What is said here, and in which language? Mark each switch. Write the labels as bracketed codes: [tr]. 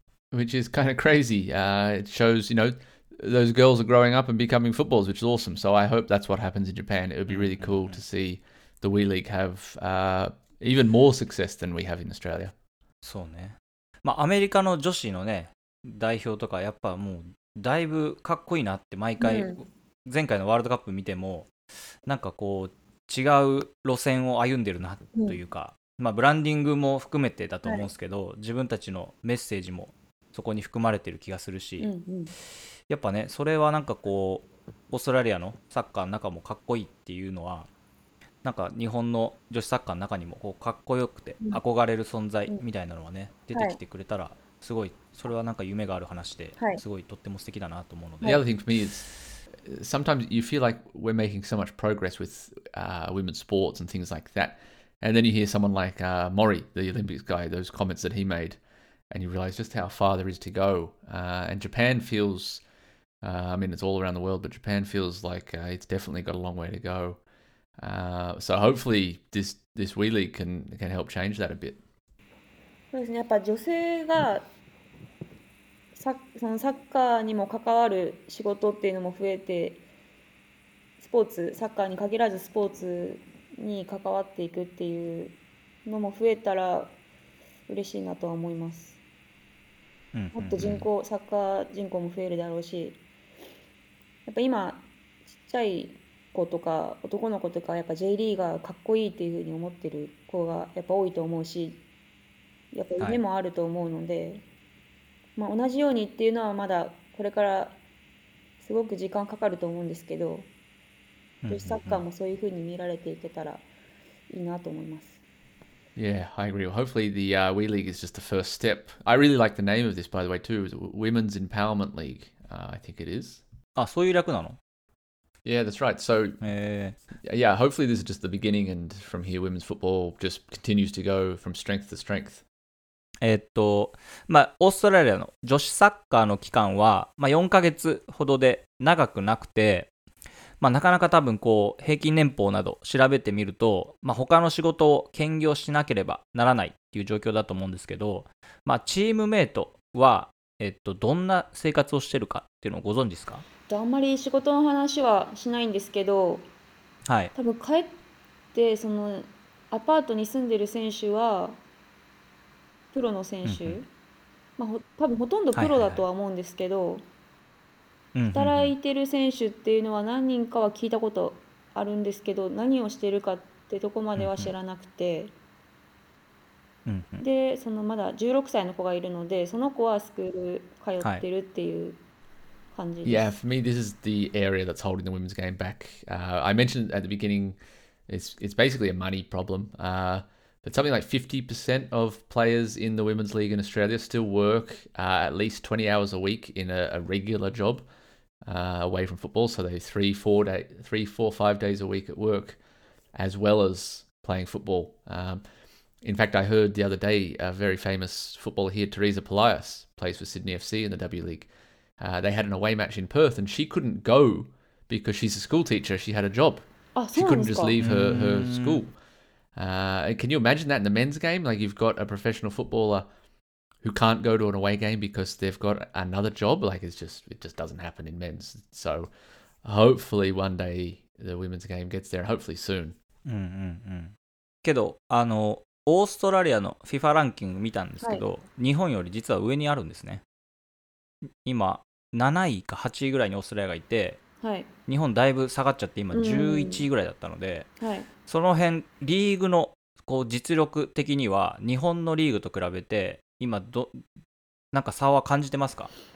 [en] which is kind of crazy. It shows, you know, those girls are growing up and becoming footballers, which is awesome. So I hope that's what happens in Japan. It would be really cool to see the Wii League have even more success than we have in Australia. [ja] そうね。まあ、アメリカの女子のね代表とかやっぱもうだいぶかっこいいなって毎回、前回のワールドカップ見てもなんかこう違う路線を歩んでるなというか、まあブランディングも含めてだと思うんですけど、自分たちのメッセージもそこに含まれてる気がするし、やっぱねそれはなんかこうオーストラリアのサッカーの中もかっこいいっていうのは、なんか日本の女子サッカーの中にもこうかっこよくて憧れる存在みたいなのがね出てきてくれたら、すごいそれはなんか夢がある話で、すごいとっても素敵だなと思うので。 [en] The other thing for me is sometimes you feel like we're making so much progress with、women's sports and things like that, and then you hear someone like、Mori, the Olympics guy, those comments that he made, And you realize just how far there is to go. And Japan feels, I mean, it's all around the world, but Japan feels like it's definitely got a long way to go. So hopefully this Wii League can help change that a bit. [ja] そうですね、やっぱ女性がそのサッカーにも関わる仕事っていうのも増えて、スポーツ、サッカーに限らずスポーツに関わっていくっていうのも増えたら嬉しいなとは思います。もっと人口、サッカー人口も増えるだろうし、やっぱ今ちっちゃい子とか男の子とかやっぱ J リーガーかっこいいっていうふうに思ってる子がやっぱ多いと思うし、やっぱ夢もあると思うので、はい、まあ同じようにっていうのはまだこれからすごく時間かかると思うんですけど、女子サッカーもそういうふうに見られていけたらいいなと思います。 [en] Yeah, I agree. Hopefully the Wii League is just the first step. I really like the name of this, by the way, too. It's Women's Empowerment League, I think it is. [ja] あ、そういう略なの？ [en] Yeah, that's right. So, yeah, hopefully this is just the beginning, and from here, women's football just continues to go from strength to strength. [ja] まあ、オーストラリアの女子サッカーの期間は、まあ、4ヶ月ほどで長くなくて、まあ、なかなか多分こう平均年俸など調べてみると、まあ、他の仕事を兼業しなければならないっていう状況だと思うんですけど、まあ、チームメイトは、どんな生活をしてるかっていうのをご存知ですか？あんまり仕事の話はしないんですけど、はい、多分帰ってそのアパートに住んでる選手はプロの選手、うんうん、まあ、多分ほとんどプロだとは思うんですけど、はいはいはい、働いてる選手っていうのは何人かは聞いたことあるんですけど、何をしてるかってとこまでは知らなくて、でそのまだ16歳の子がいるので、その子はスクール通ってるっていう感じです。 [en] Yeah, for me this is the area that's holding the women's game back. I mentioned at the beginning it's basically a money problem. But something like 50% of players in the Women's League in Australia still work at least 20 hours a week in a regular job away from football. So they're three, four, five days a week at work, as well as playing football. In fact, I heard the other day a very famous footballer here, Teresa Pelias, plays for Sydney FC in the W League. They had an away match in Perth and she couldn't go because she's a school teacher. She had a job. She couldn't just leave her school. Can you imagine that in the men's game? Like, you've got a professional footballer who can't go to an away game because they've got another job. Like, it just doesn't happen in men's. So hopefully one day the women's game gets there, hopefully soon. [ja] けど、あの、オーストラリアの FIFA ランキング見たんですけど、はい、日本より実は上にあるんですね。今7位か8位ぐらいにオーストラリアがいて、はい、日本だいぶ下がっちゃって今11位ぐらいだったので、はい、その辺リーグのこう実力的には日本のリーグと比べて今なんか差は感じてますか？